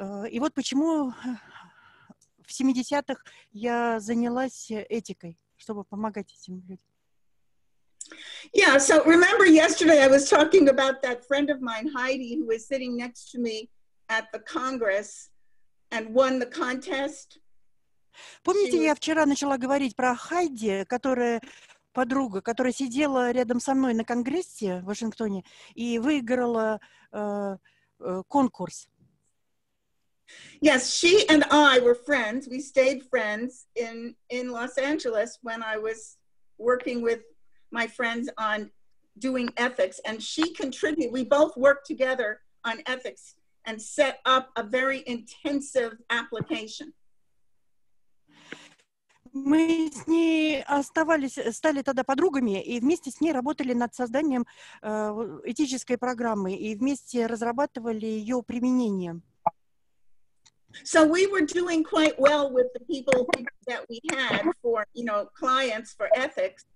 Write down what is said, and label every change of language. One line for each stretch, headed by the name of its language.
Russian: И вот почему в 70-х я занялась этикой, чтобы помогать этим людям.
English: Yeah, so remember yesterday I was talking about that friend of mine, Heidi, who was sitting next to me at the Congress and won the contest?
Russian: Помните, я вчера начала говорить про Хайди, которая... подруга, которая сидела рядом со мной на Конгрессе в Вашингтоне и выиграла конкурс.
English: Yes, she and I were friends. We stayed friends in Los Angeles when I was working with my friends on doing ethics. And she contributed. We both worked together on ethics and set up a very intensive application.
Russian: Мы с ней оставались, стали тогда подругами и вместе с ней работали над созданием этической программы и вместе разрабатывали ее применение.
English: So we were doing quite well with the people that we had for, you know, clients for ethics.